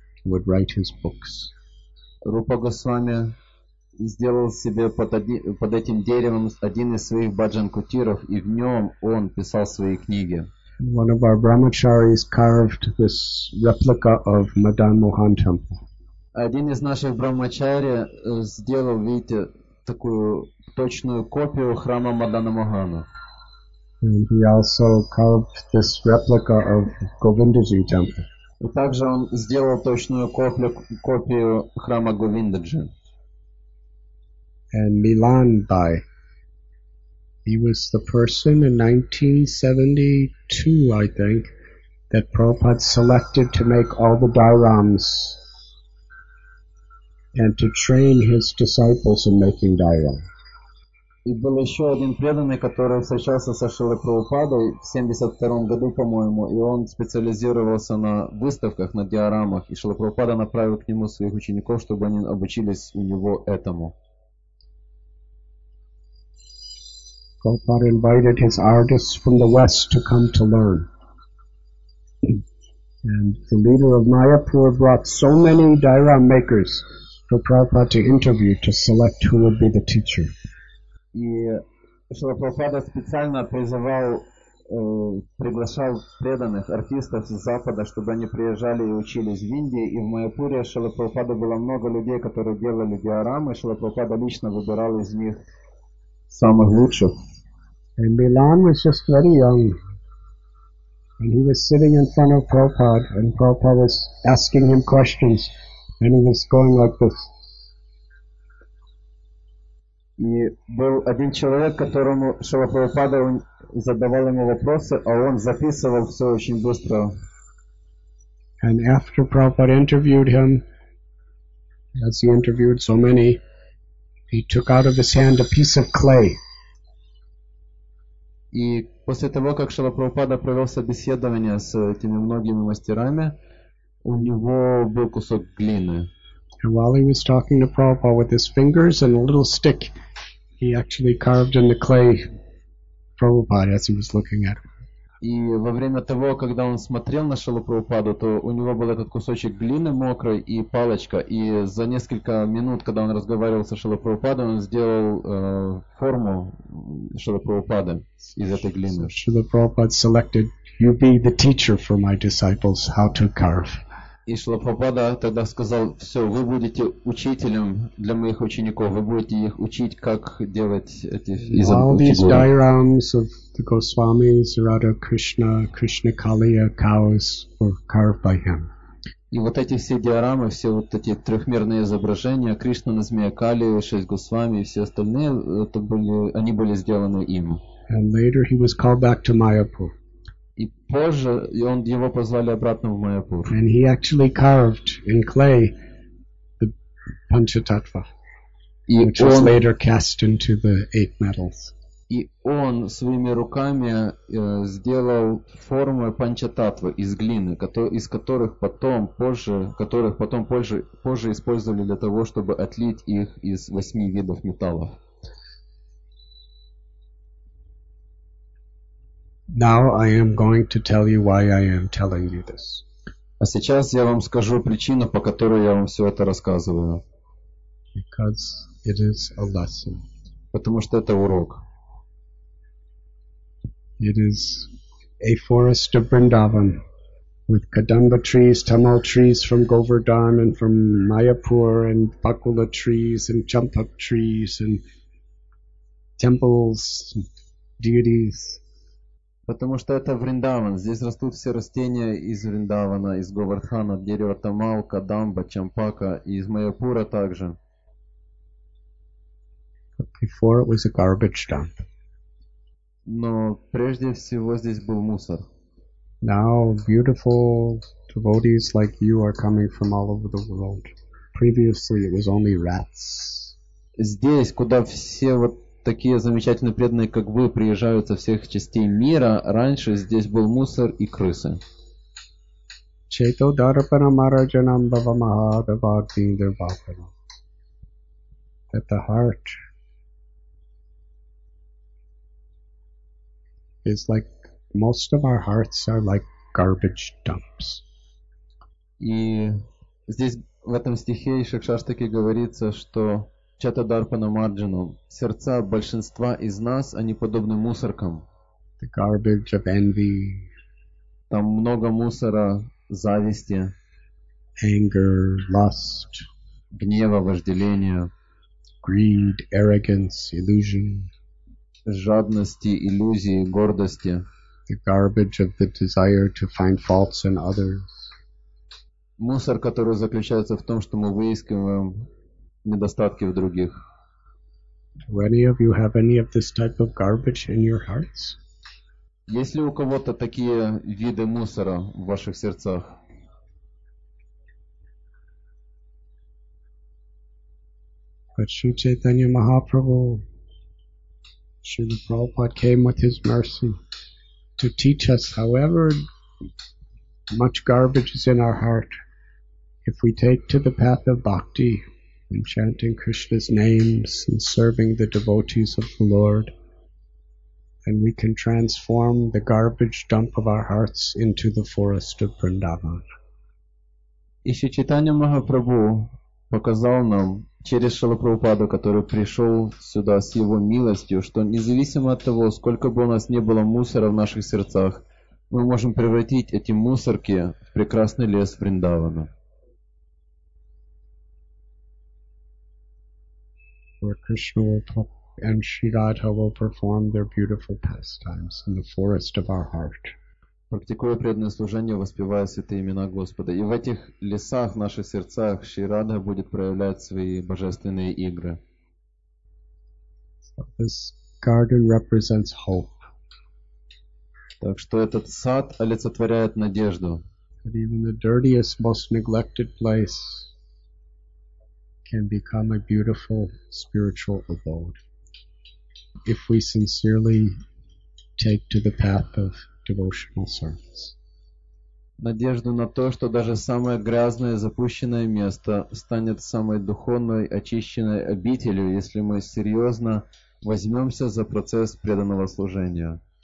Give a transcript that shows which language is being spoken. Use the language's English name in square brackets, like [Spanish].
[English] Would write his books. [Russian] Rupa Goswami сделал себе под этим деревом один из своих баджан кутиров, и в нем он писал свои книги. [English] One of our brahmacharis carved this replica of Madan Mohan temple. [Russian] Один из наших брахмачари сделал, видите, такую точную копию храма Мадана Мохана. [English] And he also carved this replica of Govindaji temple. [Russian] И также он сделал точную копию храма Говиндаджи. [English] And Milan Bhai. He was the person in 1972, I think, that Prabhupada selected to make all the dhyarams and to train his disciples in making dhyarams. [Russian] И был еще один преданный, который встречался со Шрилой Прабхупадой в 72-м году, по-моему, и он специализировался на выставках, на диорамах, и Шрила Прабхупада направил к нему своих учеников, чтобы они обучились у него этому. [English] Prabhupada invited his artists from the West to come to learn. And the leader of Mayapur brought so many diorama makers for Prabhupada to interview to select who would be the teacher. [Russian] И Шрила Прабхупада специально приглашал преданных артистов с Запада, чтобы они приезжали и учились в Индии. И в Майяпуре Шрила Прабхупада было много людей, которые делали диорамы. Шрила Прабхупада лично выбирал из них самых лучших. [English] And Milan was just very young. And he was sitting in front of Prabhupada, and Prabhupada was asking him questions, and he was going like this. [Russian] И был один человек, которому Шрила Прабхупада задавал ему вопросы, а он записывал все очень быстро. [English] And after Prabhupada interviewed him, as he interviewed so many, he took out of his hand a piece of clay. [Russian] И после того, как Шрила Прабхупада провел собеседование с этими многими мастерами, у него был кусок глины. [English] And while he was talking to Prabhupada with his fingers and a little stick, he actually carved in the clay Prabhupada as he was looking at him. [Russian] И во время того, когда он смотрел на Шрилу Прабхупаду, то у него был этот кусочек глины мокрой и палочка. И за несколько минут, когда он разговаривал со Шрилой Прабхупадой, он сделал форму Шрилы Прабхупады из этой глины. [English] Шрила Прабхупада selected, you be the teacher for my disciples how to carve. [Russian] И Шрила Прабхупада тогда сказал, все, вы будете учителем для моих учеников, вы будете их учить, как делать эти фигуры. [English] All these diorams of the Goswamis, Radha Krishna, Krishna Kaliya, cows were carved by him. [Russian] И вот эти все диорамы, все вот эти трехмерные изображения, Кришна на змее Кали, шесть Госвами и все остальные, это были, они были сделаны им. [English] And later he was called back to Mayapur. [Russian] И позже он, его позвали обратно в Майяпур. [English] And he actually carved in clay the Panchatattva, which was later cast into the eight metals. [Russian] И он своими руками сделал форму Панчататвы из глины, которых потом позже использовали для того, чтобы отлить их из восьми видов металлов. [English] Now I am going to tell you why I am telling you this. [Russian] А сейчас я вам скажу причину, по которой я вам все это рассказываю. [English] Because it is a lesson. [Russian] Потому что это урок. [English] It is a forest of Vrindavan with kadamba trees, tamal trees from Govardhan and from Mayapur and bakula trees and champak trees and temples and deities. [Russian] Потому что это Вриндаван. Здесь растут все растения из Вриндавана, из Говардхана, дерево тамал, кадамба, чампака и из Майяпура также. [English] Before it was a garbage dump. [Russian] Но прежде всего здесь был мусор. [English] Now beautiful devotees like you are coming from all over the world. Previously it was only rats. [Russian] Здесь, куда все вот такие замечательные преданные, как вы, приезжают со всех частей мира. Раньше здесь был мусор и крысы. Это [English] heart is like most of our hearts are like garbage dumps. [Russian] И здесь в этом стихе Шакшаштаки говорится, что Чатадарпана Марджану. Сердца большинства из нас, они подобны мусоркам. [English] The garbage of envy. [Russian] Там много мусора, зависти. [English] Anger, lust. [Russian] Гнева, вожделения. [English] Greed, arrogance, illusion. [Russian] Жадности, иллюзии, гордости. [English] The garbage of the desire to find faults in others. [Russian] Мусор, который заключается в том, что мы выискиваем недостатки в других. [English] Do any of you have any of this type of garbage in your hearts? [Russian] Есть ли у кого-то такие виды мусора в ваших сердцах? [English] But Shri Chaitanya Mahaprabhu, Srila Prabhupada came with his mercy to teach us, however much garbage is in our heart, if we take to the path of bhakti, and chanting Krishna's names and serving the devotees of the Lord, and we can transform the garbage dump of our hearts into the forest of Vrindavan. [Russian] И Шри Чайтанья Махапрабху показал нам через Шрилу Прабхупаду, который пришел сюда с его милостью, что независимо от того, сколько бы у нас не было мусора в наших сердцах, мы можем превратить эти мусорки в прекрасный лес Вриндавана. [English] Where Krishna will and Sri Radha will perform their beautiful pastimes in the forest of our heart. [Russian] Практикуя преданное служение, воспевая святые имена Господа, и в этих лесах, в наших сердцах, Шри Радха будет проявлять свои божественные игры. [English] So this garden represents hope. [Russian] Так что этот сад олицетворяет надежду. [English] That even the dirtiest, most neglected place can become a beautiful spiritual abode if we sincerely take to the path of devotional service. [Russian] Надежду на то, что даже самое грязное, запущенное место станет самой духовной, очищенной обителью, если мы серьезно возьмемся за процесс преданного служения.